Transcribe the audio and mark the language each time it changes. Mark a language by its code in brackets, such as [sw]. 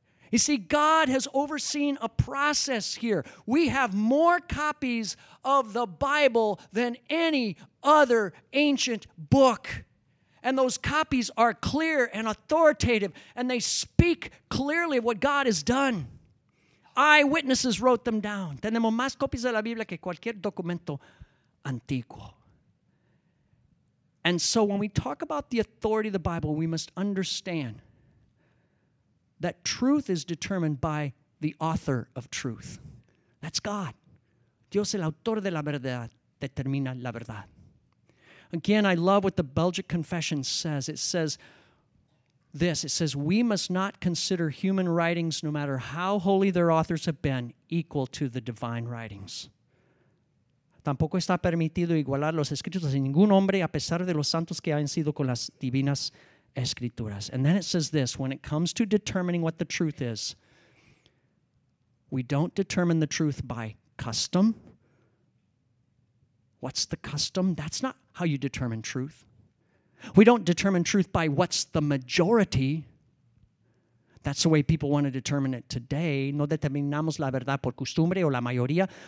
[en] You see, God has overseen a process here. We have more copies of the Bible than any other ancient book. And those copies are clear and authoritative, and they speak clearly of what God has done. Eyewitnesses wrote them down. [es] Tenemos más copias de la Biblia que cualquier documento antiguo. [en] And so when we talk about the authority of the Bible, we must understand that truth is determined by the author of truth. That's God. [es] Dios, el autor de la verdad, determina la verdad. [en] Again, I love what the Belgic Confession says. It says this. It says, we must not consider human writings, no matter how holy their authors have been, equal to the divine writings. [es] Tampoco está permitido igualar los escritos de ningún hombre, a pesar de los santos que hayan sido con las divinas escrituras. [en] And then it says this, when it comes to determining what the truth is, we don't determine the truth by custom. What's the custom? That's not how you determine truth. We don't determine truth by what's the majority. That's the way people want to determine it today. [es] No determinamos la verdad por costumbre o la mayoría.